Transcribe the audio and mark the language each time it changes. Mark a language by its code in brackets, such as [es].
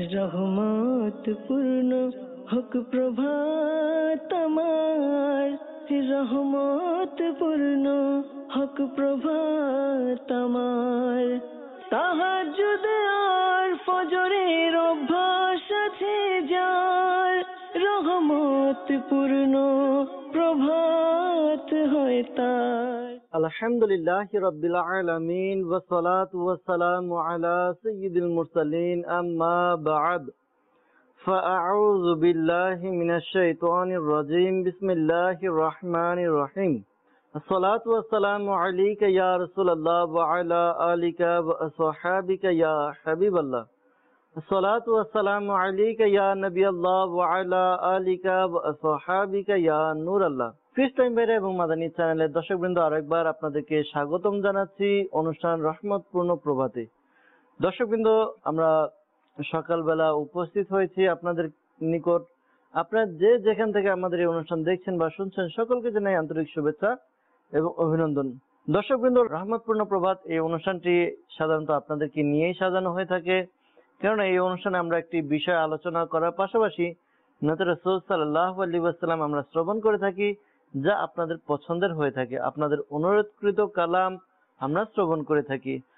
[bn] রহমত পূর্ণ হক প্রভাত আমার, রহমত পূর্ণ হক প্রভাত আমার, তাহাজ্জুদ আর ফজরের অভ্যাস আছে যার, রহমত পূর্ণ প্রভাত হয় তার। [ar] আলহামদুলিল্লাহ রাব্বিল আলামিন ওয়া সালাতু ওয়া সালামু আলা সাইয়্যিদিল মুরসালিন আম্মা বা'দ, فأعوذ بالله من الشيطان الرجيم بسم الله الرحمن الرحيم الصلاة والسلام عليك يا رسول الله وعلى آلك وأصحابك يا حبيب الله الصلاة والسلام عليك يا نبي الله وعلى آلك وأصحابك يا نور الله [bn] ফার্স্ট টাইম বেরে এবং মাদানী চ্যানেলের দর্শকবৃন্দ আর একবার আপনাদেরকে স্বাগতম জানাচ্ছি অনুষ্ঠান রহমতপূর্ণ প্রভাতে। দর্শকবৃন্দ, আমরা সকালবেলা উপস্থিত হয়েছি আপনাদের নিকট। আপনারা যে যেখান থেকে আমাদের এই অনুষ্ঠান দেখছেন বা শুনছেন, সকলকে জানাই আন্তরিক শুভেচ্ছা এবং অভিনন্দন। দর্শকবৃন্দ, রহমতপূর্ণ প্রভাত এই অনুষ্ঠানটি সাধারণত আপনাদেরকে নিয়েই সাজানো হয়ে থাকে, কেননা এই অনুষ্ঠানে আমরা একটি বিষয় আলোচনা করার পাশাপাশি নবী রাসূল সাল্লাল্লাহু আলাইহি ওয়াসাল্লাম আমরা শ্রবণ করে থাকি, যা আপনাদের পছন্দের হয়ে থাকে, আপনাদের অনুরোধকৃত কালাম আমরা শ্রবণ করে থাকি।